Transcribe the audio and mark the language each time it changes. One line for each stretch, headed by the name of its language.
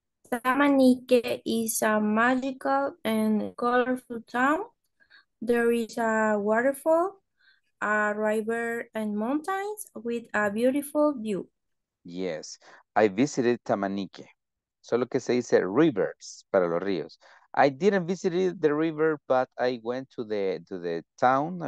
English: Tamanique is a magical and colorful town. There is a waterfall, a river, and mountains with a beautiful view. Yes, I visited Tamanique.
Spanish: Solo que se dice rivers para los ríos.
English: I didn't visit the river, but I went to the town.